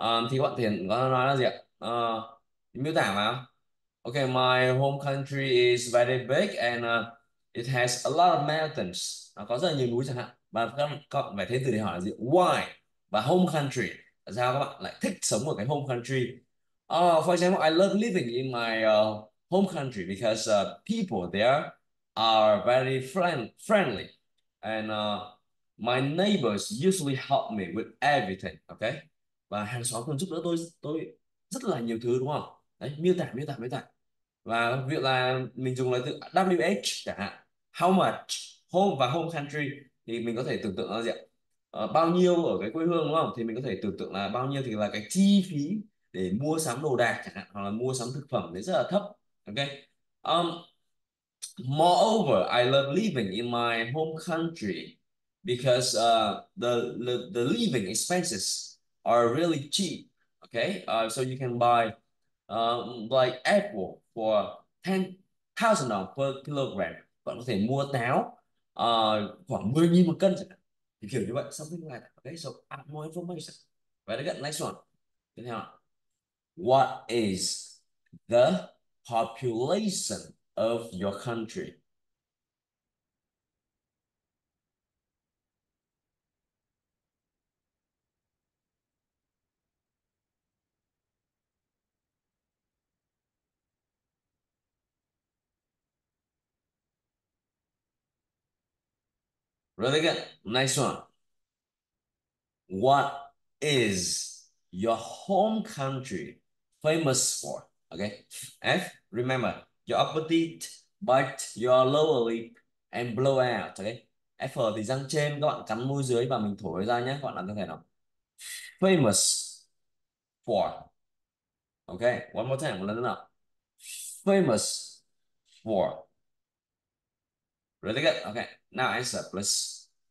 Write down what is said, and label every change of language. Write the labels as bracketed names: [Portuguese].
[Vietnamese] Thì các bạn thiền có nói là gì ạ? Miêu tả vào. [English] Okay, my home country is very big and it has a lot of mountains. [Vietnamese] Có rất là nhiều núi chẳng hạn. Và các bạn phải thêm từ để hỏi là gì? [English] Why? [Vietnamese] Và home country. Tại sao các bạn lại thích sống ở cái home country? [English] For example, I love living in my home country because people there are very friendly and my neighbors usually help me with everything, okay? [Vietnamese] Và hàng xóm còn giúp đỡ tôi rất là nhiều thứ, đúng không? Đấy, miêu tả. Và ví dụ là mình dùng lời từ WH chẳng hạn, how much, home và home country, thì mình có thể tưởng tượng là gì ạ? Bao nhiêu ở cái quê hương, đúng không? Thì mình có thể tưởng tượng là bao nhiêu thì là cái chi phí để mua sắm đồ đạc chẳng hạn, hoặc là mua sắm thực phẩm đấy rất là thấp. Okay. [English] Moreover, I love living in my home country because the living expenses are really cheap. Okay. So you can buy like apple for $10,000 per kilogram. [Vietnamese] Bạn có thể mua táo khoảng 10.000 một cân. Thì kiểu như vậy, [English] something like that. Okay. So add more information. [Vietnamese] Và đến gần [English] next one. [Vietnamese] Tiếp theo. [English] What is the population of your country? Really good. Nice one. What is your home country famous for? Okay, F, remember, your upper teeth bite your lower lip and blow out, okay? [Vietnamese] F thì răng trên, các bạn cắn môi dưới và mình thổi ra nhé, các bạn làm như thế nào? [English] Famous for, okay, one more time, [Vietnamese] một lần nữa nào. [English] Famous for, really good, okay, now answer, please.